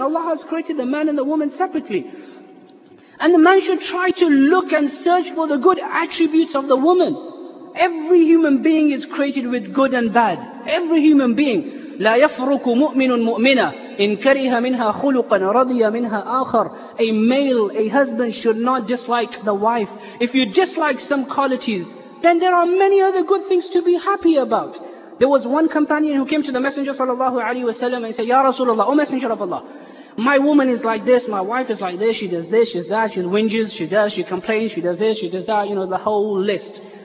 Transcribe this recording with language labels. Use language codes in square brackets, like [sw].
[en] Allah has created the man and the woman separately. And the man should try to look and search for the good attributes of the woman. Every human being is created with good and bad. Every human being. [ar] لا يفرق مؤمن مؤمنة إن كره منها خلقا رضي منها آخر. [en] A male, a husband should not dislike the wife. If you dislike some qualities, then there are many other good things to be happy about. There was one companion who came to the Messenger sallallahu alaihi wasallam and said, Ya Rasulullah, O Messenger of Allah, my woman is like this, my wife is like this, she does that, she whinges, she does, she complains, she does this, she does that, you know, the whole list.